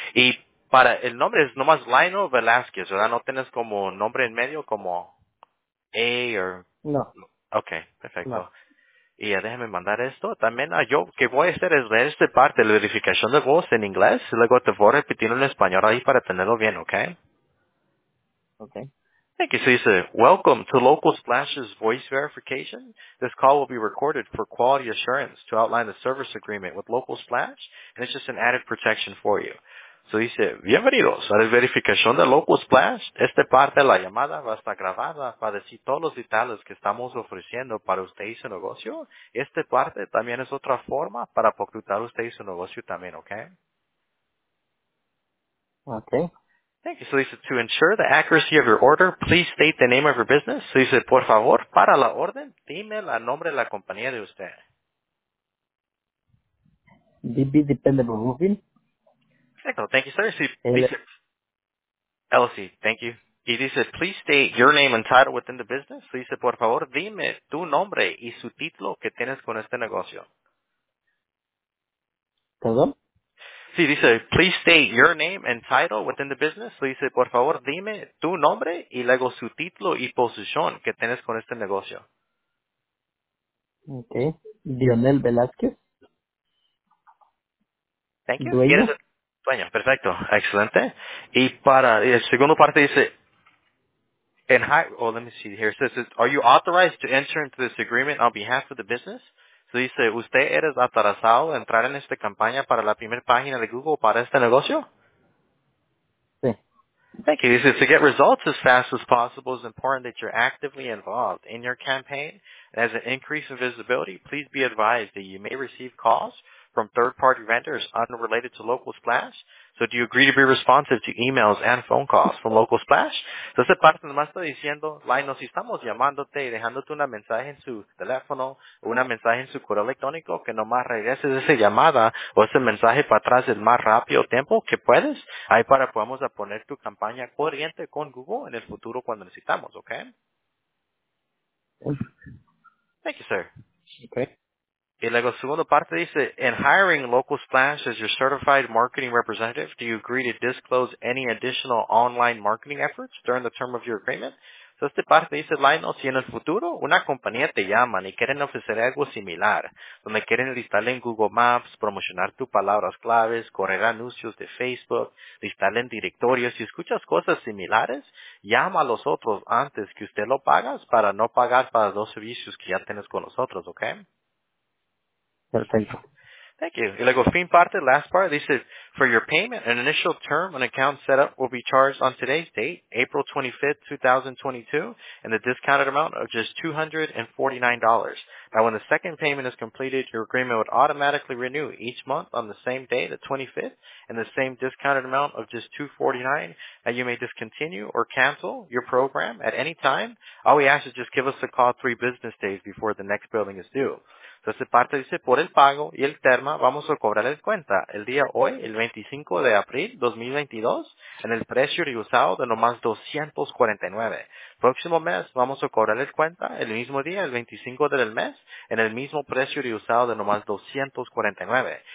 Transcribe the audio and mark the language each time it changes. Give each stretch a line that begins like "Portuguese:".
Spanish: Y para el nombre es nomás Lino Velázquez, ¿verdad? No tienes como nombre en medio como A o... No. Okay, perfecto. No. Y ya déjame mandar esto. También yo que voy a hacer es leer esta parte, la verificación de voz en inglés. Luego te voy a repetir en español ahí para tenerlo bien, okay?
English: Okay. Thank you. So you say, welcome to Local Splash's voice verification. This call will be recorded for quality assurance to outline the service agreement with Local Splash, and it's just an added protection for you.
Spanish: So dice, bienvenidos a la verificación de Local Splash. Esta parte de la llamada va a estar grabada para decir todos los detalles que estamos ofreciendo para usted y su negocio. Esta parte también es otra forma para ocultar usted y su negocio también, ¿ok?
English: Ok. Thank you. So dice, to ensure the accuracy of your order, please state the name of your business.
Spanish: So dice, por favor, para la orden, dime el nombre de la compañía de usted.
English: DB Dependable Roofing. Perfecto. Thank you, sir. Elsie, thank you.
Spanish: Y dice,
English: please state your name and title within the business.
Spanish: So dice, por favor, dime tu nombre y su título que tienes con este negocio. ¿Perdón? Sí, dice,
English: please state your name and title within the business.
Spanish: So dice, por favor, dime tu nombre y luego su título y posición que tienes con este negocio.
English: Okay. Lionel Velázquez. Thank you.
Spanish: Bueno, perfecto, excelente. Y para el segundo parte dice,
English: let me see here. It says, are you authorized to enter into this agreement on behalf of the business?
Spanish: So dice, ¿usted eres autorizado a entrar en esta campaña para la primera página de Google para este negocio? Sí.
English: Thank you. He says, to get results as fast as possible, it's important that you're actively involved in your campaign. As an increase in visibility, please be advised that you may receive calls from third-party vendors unrelated to Local Splash. So do you agree to be responsive to emails and phone calls from Local Splash?
Spanish: Entonces, parte nomás está diciendo, Lino, si estamos llamándote y dejándote una mensaje en su teléfono, una mensaje en su correo electrónico, que nomás regreses esa llamada o ese mensaje para atrás el más rápido tiempo que puedes, ahí para podamos a poner tu campaña corriente con Google en el futuro cuando necesitamos, ¿ok?
English: Thank you, sir. Okay.
Spanish: Y luego, segundo parte dice,
English: in hiring Local Splash as your certified marketing representative, do you agree to disclose any additional online marketing efforts during the term of your agreement?
Spanish: So, este parte dice, Lino, si en el futuro una compañía te llama y quieren ofrecer algo similar, donde quieren listarle en Google Maps, promocionar tus palabras claves, correr anuncios de Facebook, listarle en directorios, si escuchas cosas similares, llama a los otros antes que usted lo pagas para no pagar para los dos servicios que ya tienes con nosotros, ¿ok? Perfecto.
English: Thank you.
Spanish: Y luego, fin parte,
English: last part, dice, for your payment, an initial term an account setup will be charged on today's date, April 25th, 2022, and the discounted amount of just $249. Now, when the second payment is completed, your agreement would automatically renew each month on the same day, the 25th, and the same discounted amount of just $249, and you may discontinue or cancel your program at any time. All we ask is just give us a call 3 business days before the next billing is due.
Spanish: Entonces, parte dice, por el pago y el termo, vamos a cobrar el cuenta el día hoy, el 25 de abril 2022, en el precio reusado de nomás $249. Próximo mes, vamos a cobrar el cuenta el mismo día, el 25 del mes, en el mismo precio reusado de nomás $249.